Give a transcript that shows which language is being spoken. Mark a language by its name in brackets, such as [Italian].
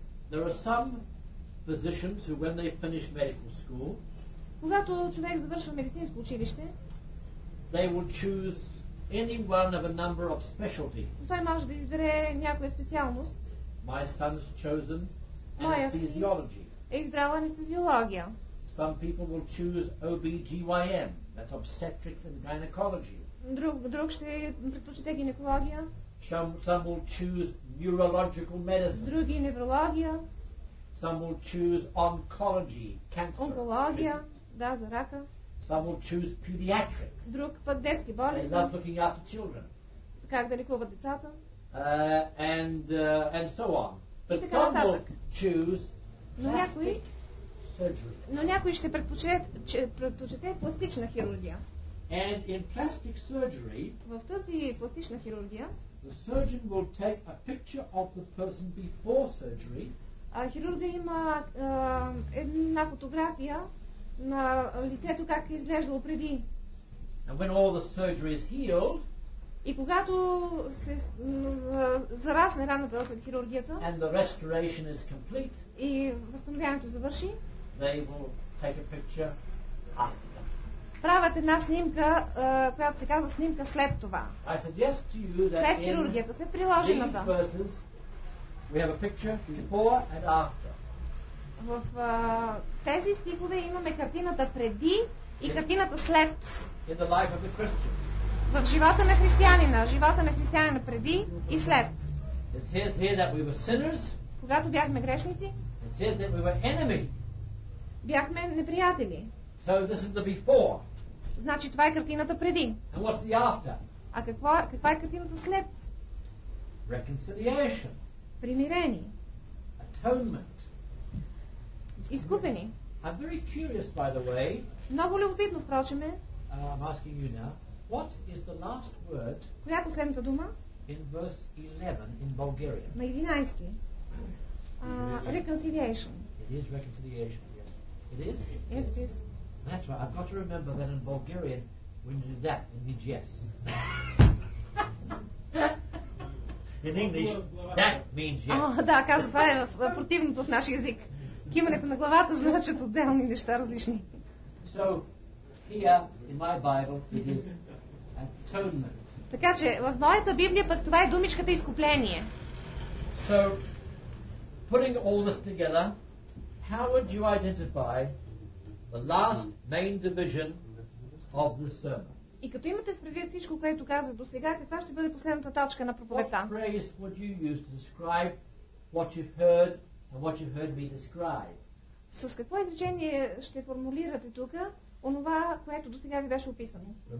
[English] There are some physicians who, when they finish medical school, [Bulgarian] когато човек завършва медицинско училище, [English] they will choose any one of a number of specialties. [Bulgarian] Той може да избере някоя специалност. [English] My son has chosen anesthesiology. [Bulgarian] Е избрал анестезиология. [English] Some people will choose OBGYN. That's obstetrics and gynecology. [Bulgarian] Друг ще предпочете гинекология. [English] Some will choose neurological medicine. [Bulgarian] Други неврология. [English] Some will choose oncology, cancer. [Bulgarian] Онкология, да, за рака. [English] Some will choose pediatrics. [Bulgarian] Друг пък детски болести. [English] They love looking after children. [Bulgarian] Как да лекуват децата? [English] And so on. But some [Bulgarian] нататък [English] will choose plastic surgery. [Bulgarian] Но някои ще предпочете пластична хирургия. [English] And in plastic surgery, [Bulgarian] в тази пластична хирургия, [English] the surgeon will take a picture of the person before surgery. [Bulgarian] Хирурга има една фотография на лицето как е изглеждало преди. [English] And when all the surgery is healed, [Bulgarian] и когато се зарасне раната след хирургията, [English] and the restoration is complete, [Bulgarian] и възстановяването завърши, [English] they will take a picture after. [Bulgarian] Правят една снимка, която се казва снимка след това. След хирургията, след приложената. [English] Verses, we have a picture before and after. [Bulgarian] В тези стихове имаме картината преди и картината след. [English] In the life of the Christian. [Bulgarian] В живота на християнина. Живота на християнина преди и след. [English] It says here that we were sinners. [Bulgarian] Когато бяхме грешници. [English] It says that we were enemies. [Bulgarian] Бяхме неприятели. [English] So this is the before. [Bulgarian] Значи това е картината преди. [English] And what's the after? [Bulgarian] А каква е картината след? [English] Reconciliation. [Bulgarian] Примирени. [English] Atonement. [Bulgarian] Изкупени. [English] I'm very curious, by the way. [Bulgarian] Много любопитно, впрочем е. [English] I'm asking you now, what is the last word? [Bulgarian] Коя е последната дума? [English] In verse 11 in Bulgarian. [Bulgarian] На 11-ти. [English] Reconciliation. It is reconciliation, yes. It is? Yes, it is. That's right. I've got to remember that in Bulgarian when you did that, it means yes. In English, that means yes. [Bulgarian] Да, казва, това е противното в нашия език. Кимането на главата значат отделни неща различни. [English] So, here, in my Bible, it is atonement. [Bulgarian] Така че, в моята Библия пък това е думичката изкупление. [English] So, putting all this together, how would you identify the last main division of the sermon? [Bulgarian] И като имате в предвид всичко, което казах до сега, каква ще бъде последната точка на проповедта? [English] What phrase would you use to describe what you've heard and what you've heard me describe? [Bulgarian] С какво изречение ще формулирате тук онова, което до сега ви беше описано?